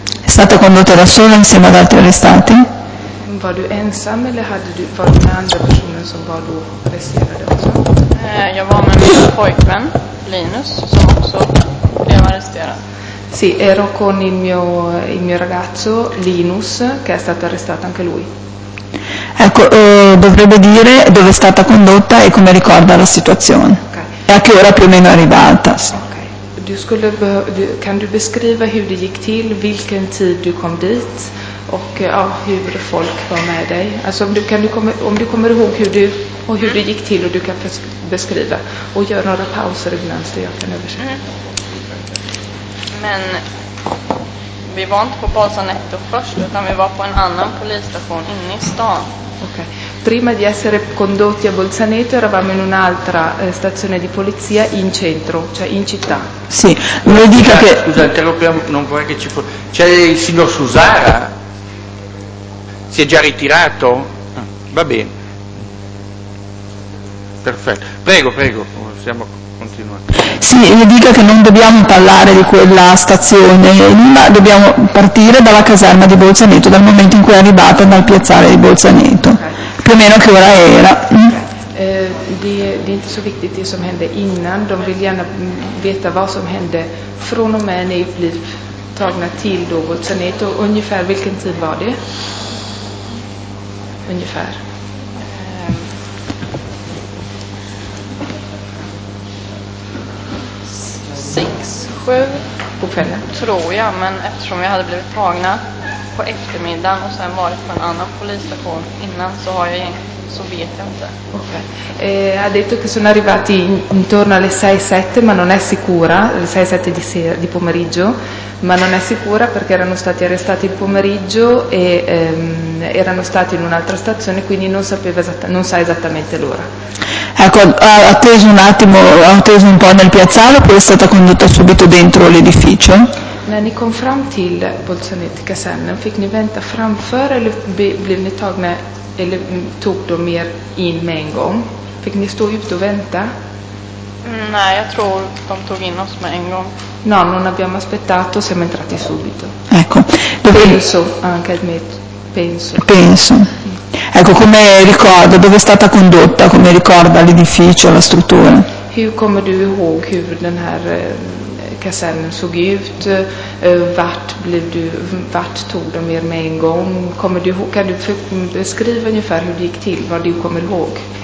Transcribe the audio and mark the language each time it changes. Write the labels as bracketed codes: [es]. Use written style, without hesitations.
[it] È stata condotta da sola insieme ad altri arrestati. [sv] Var du ensam eller hade du, var du med andra personer som var då arresterade också? Jag var med min pojkvän. Linus, som också blev arresterad. [it] Sì, ero con il mio ragazzo Linus, che è stato arrestato anche lui. Ecco, dovrebbe dire dove è stata condotta e come ricorda la situazione. Okay. E a che ora più o meno è arrivata. Okay. [sv] Kan du beskriva hur det gick till, vilken tid du kom dit och hur folk var med dig? Alltså om du kommer ihåg hur du och hur det gick till och du kan beskriva och gör några pauser ibland så jag kan översätta. Mm. Men vi var inte på Bolzaneto först utan vi var på en annan polisstation inne i stan. Okay. [it] Prima di essere condotti a Bolzaneto eravamo in un'altra stazione di polizia in centro, cioè in città. Sì, lo dica che... Scusa, interrompiamo, non vorrei che ci fosse... C'è il signor Susara? Si è già ritirato? Va bene. Perfetto. Prego, prego, possiamo continuare. Sì, le dica che non dobbiamo parlare di quella stazione, ma dobbiamo partire dalla caserma di Bolzaneto, dal momento in cui è arrivata dal piazzale di Bolzaneto. Okay. Più o meno che ora era. [sv] Det är inte så viktigt det som hände innan. De vill gärna veta vad som hände från och med när ni blev tagna till då Bolzaneto, och ungefär vilken tid var det? Ungefär. Sex, sju på kvällen. Tror jag, men eftersom vi hade blivit tagna på eftermiddagen och sen varit på en annan polisstation innan, så har jag egentligen, så vet jag inte. Okay. [it] Ha detto che sono arrivati intorno alle 6-7, ma non è sicura, 6-7 di sera, di pomeriggio, ma non è sicura perché erano stati arrestati il pomeriggio e erano stati in un'altra stazione, quindi non sapeva non sa esattamente l'ora. Ecco, ha atteso un attimo, ha atteso un po' nel piazzale, poi è stata condotta subito dentro l'edificio. [sv] När ni kom fram till Bolzaneto-kasernen, fick ni vänta framför eller blev ni tagna eller tog de er in med en gång? Fick ni stå ute och vänta? Nej, jag tror de tog in oss med en gång. [it] No, non abbiamo aspettato, siamo entrati subito. Ecco. Dove... Penso, anche admetto, penso. Penso. Ecco, come ricorda, dove è stata condotta, come ricorda l'edificio, la struttura? [sv] Hur kommer du ihåg hur den här... kasernen såg ut, vart tog de er med en gång, kommer du, kan du beskriva ungefär hur det gick till, vad du kommer ihåg?